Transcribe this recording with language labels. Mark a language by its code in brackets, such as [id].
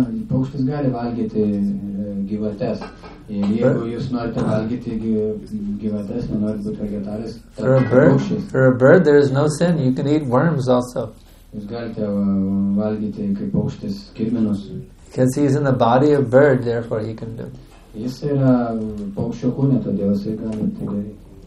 [lt] Paukštis gali valgyti gyvates. Jeigu jūs norite valgyti gyvates, nenorite būti vegetaras. [en] For a bird, there is no sin. You can eat worms also. [lt] Jūs galite valgyti kaip paukštis kirminus. [en] Because he is in the body of bird, therefore he can do. [lt] Jis yra paukščio kūne, todėl jis gali tai daryti.